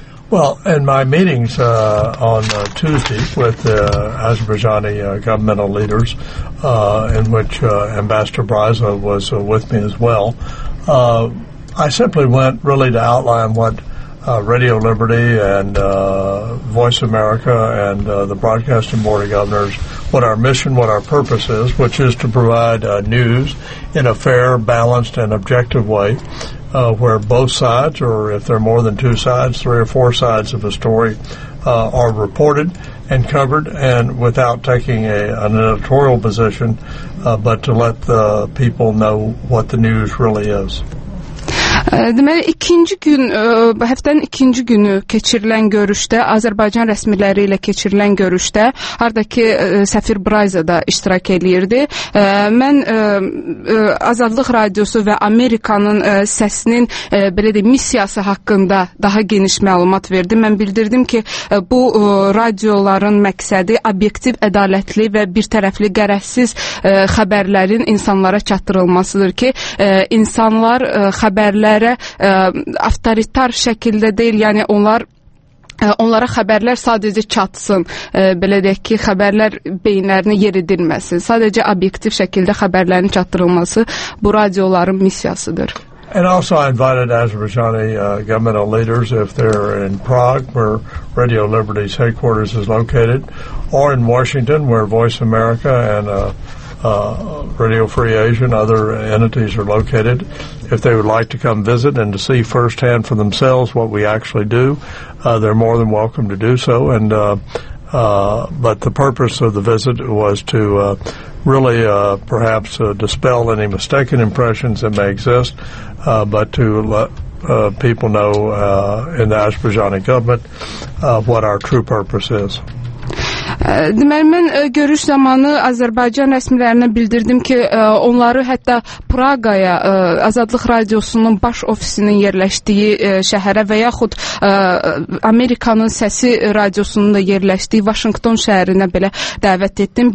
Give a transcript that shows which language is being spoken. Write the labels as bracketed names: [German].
[English] Well, in my meetings on Tuesday with Azerbaijani governmental leaders, in which Ambassador Braza was with me as well, I simply went really to outline what Radio Liberty and Voice America and the Broadcasting Board of Governors, what our mission, what our purpose is, which is to provide news in a fair, balanced, and objective way. Where both sides, or if there are more than two sides, three or four sides of a story, are reported and covered, and without taking an editorial position, but to let the people know what the news really is. [Azerbaijani] Deməli, ikinci gün, həftənin ikinci günü keçirilən görüşdə, Azərbaycan rəsmiləri ilə keçirilən görüşdə, harada ki, səfir Braza da iştirak edirdi. Mən Azadlıq Radiosu və Amerikanın səsinin belə deyim, missiyası haqqında daha geniş məlumat verdim. Mən bildirdim ki, bu radioların məqsədi obyektiv, ədalətli və birtərəfli qərəzsiz xəbərlərin insanlara çatdırılmasıdır ki, insanlar xəbərlər avtoritar şəkildə deyil, yəni onlara xəbərlər sadəcə çatsın, belə deyək ki, xəbərlər beyinlərini yeridilməsin, sadəcə obyektiv şəkildə xəbərlərin çatdırılması bu radioların missiyasıdır. [English] And also I invited Azerbaijani governmental leaders, if they're in Prague, where Radio Liberty's headquarters is located, or in Washington, where Voice America and Radio Free Asia and other entities are located, if they would like to come visit and to see firsthand for themselves what we actually do, they're more than welcome to do so. And but the purpose of the visit was to really perhaps dispel any mistaken impressions that may exist, but to let people know in the Azerbaijani government what our true purpose is. [Azerbaijani] Deməli, mən görüş zamanı Azərbaycan rəsmilərinə bildirdim ki, onları hətta Praqaya, Azadlıq Radiosunun baş ofisinin yerləşdiyi şəhərə və yaxud Amerikanın Səsi Radiosunun da yerləşdiyi Vaşinqton şəhərinə belə dəvət etdim.